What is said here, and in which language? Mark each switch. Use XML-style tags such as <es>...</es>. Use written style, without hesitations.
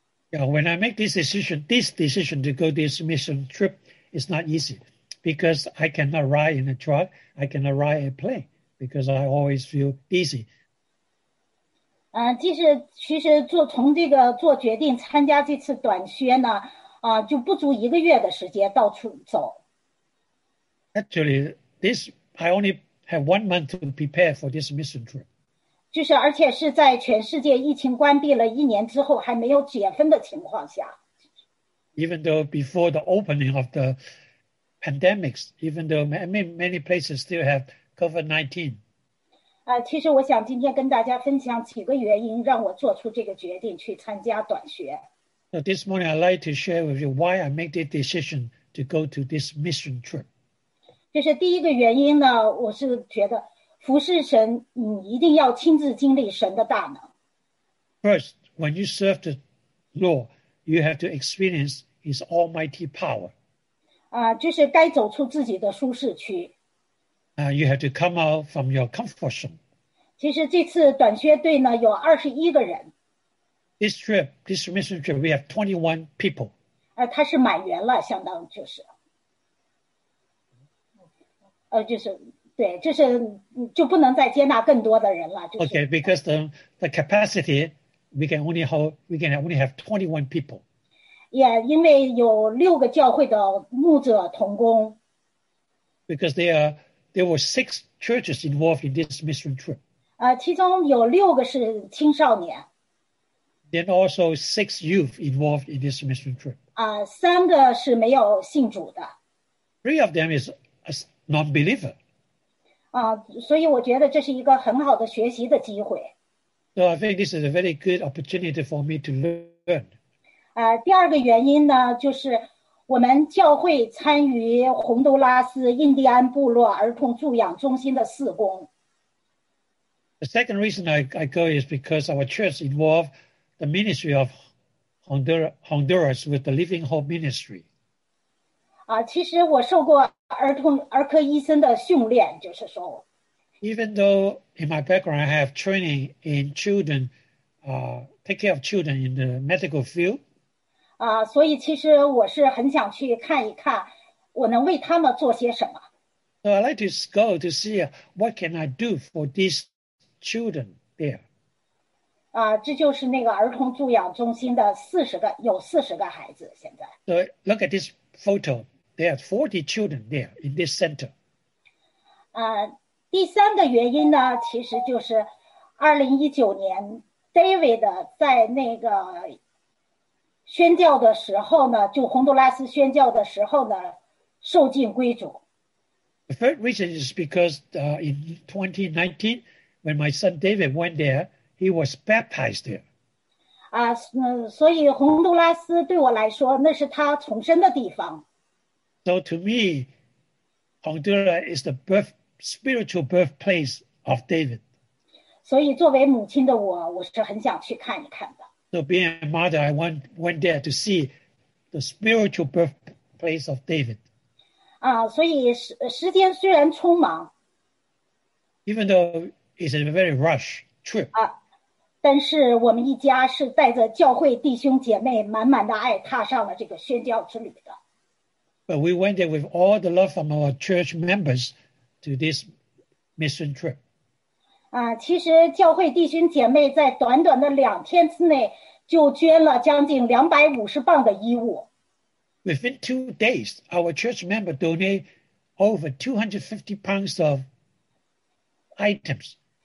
<en>Yeah, when I make this decision to go this mission trip, it's not easy because I cannot ride in a truck, I cannot ride a plane because I always feel dizzy.</en> <zh>其实从这个做决定参加这次短靴呢，就不足一个月的时间到处走。</zh> <en>Actually, I only have 1 month to prepare for this mission trip.</en> <zh>就是而且是在全世界疫情关闭了一年之后还没有解封的情况下。</zh> <en>Even though before the opening of the pandemics, even though many places still have COVID-19.</en> <zh>其实我想今天跟大家分享几个原因让我做出这个决定去参加短靴。</zh> <en>So this morning I'd like to share with you why I made the decision to go to this mission trip.</en> <zh>就是第一个原因呢，我是觉得服侍神，你一定要亲自经历神的大能。</zh> <en>First, when you serve the Lord, you have to experience His almighty power.</en> <zh>就是该走出自己的舒适区。</zh> <en>You have to come out from your comfort zone.</en> <zh>其实这次短靴队呢，有21个人。</zh> <en>This mission trip, we have 21 people.</en> <zh>他是满员了，相当就是。对，就是就不能再接纳更多的人了。就是、</zh> <en>okay, because the capacity we can only have 21 people.</en> <zh>Yeah, 因为有六个教会的牧者同工。</zh> <en>Because there were six churches involved in this mission trip.</en> <zh>其中有六个是青少年。</zh> <en>Then also six youth involved in this mission trip.</en> <zh>三个是没有信主的。</zh> <en>Three of them is a non-believer.</en> <zh>所以我觉得这是一个很好的学习的机会。</zh> <en>So I think this is a very good opportunity for me to learn.</en> <zh>第二个原因呢，就是我们教会参与洪都拉斯印第安部落儿童助养中心的事工。</zh> <en>The second reason I go is because our church involved the ministry of Honduras with the Living Hope Ministry.</en> <zh>其实我受过儿科医生的训练，就是说。</zh> <en>Even though in my background I have training in children, take care of children in the medical field.</en> <zh>所以其实我是很想去看一看，我能为他们做些什么。</zh> <en>So I like to go to see what can I do for these children there.</en> <zh>这就是那个儿童助养中心的有40个孩子现在。</zh> <en>So look at this photo. There are 40 children there in this center.</en> <zh>第三个原因呢，其实就是2019年 David 在那个宣教的时候呢，就洪都拉斯宣教的时候呢，受尽归主。</zh> <en>The third reason is because in 2019, when my son David went there, he was baptized there.</en> <zh>所以洪都拉斯对我来说，那是他重生的地方。</zh> <en>So to me, Honduras is the birth spiritual birthplace of David.</en> <zh>所以作为母亲的我是很想去看一看的。</zh> <en>So being a mother, I went there to see the spiritual birthplace of David.</en> <zh>所以时间虽然匆忙。</zh> <en>Even though it's a very rush trip.</en> <zh>但是我们一家是带着教会弟兄姐妹满满的爱踏上了这个宣教之旅的。</zh> <en>But we went there with all the love from our church members to this mission trip.</en> <zh>其实教会弟兄姐妹在短短的两天之内就捐了将近250磅的衣物。</zh> <en>Within 2 days, our church member donated over 250 pounds of items.</en>